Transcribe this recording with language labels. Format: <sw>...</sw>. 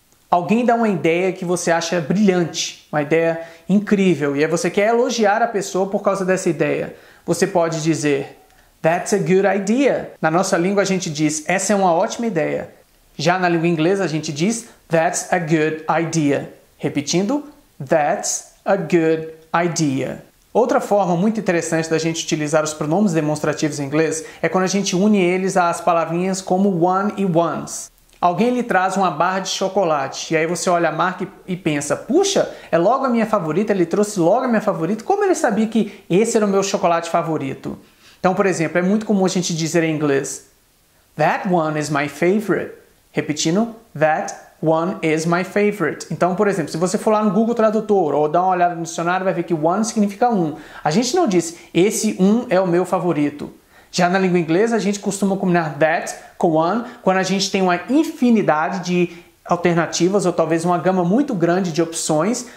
<pt>Alguém dá uma ideia que você acha brilhante, uma ideia incrível, e aí você quer elogiar a pessoa por causa dessa ideia. Você pode dizer</pt> <en>that's a good idea.</en> <pt>Na nossa língua a gente diz essa é uma ótima ideia. Já na língua inglesa a gente diz</pt> <en>that's a good idea.</en> <pt>Repetindo,</pt> <en>that's a good idea.</en> <pt>Outra forma muito interessante da gente utilizar os pronomes demonstrativos em inglês é quando a gente une eles às palavrinhas como one e once. Alguém lhe traz uma barra de chocolate e aí você olha a marca e pensa, puxa, é logo a minha favorita, ele trouxe logo a minha favorita, como ele sabia que esse era o meu chocolate favorito? Então, por exemplo, é muito comum a gente dizer em inglês,</pt> <en>that one is my favorite.</en> <pt>Repetindo,</pt> <en>that one is my favorite.</en> <pt>Então, por exemplo, se você for lá no Google Tradutor ou dar uma olhada no dicionário, vai ver que one significa um. A gente não diz, esse um é o meu favorito. Já na língua inglesa, a gente costuma combinar that com one quando a gente tem uma infinidade de alternativas ou talvez uma gama muito grande de opções.</pt>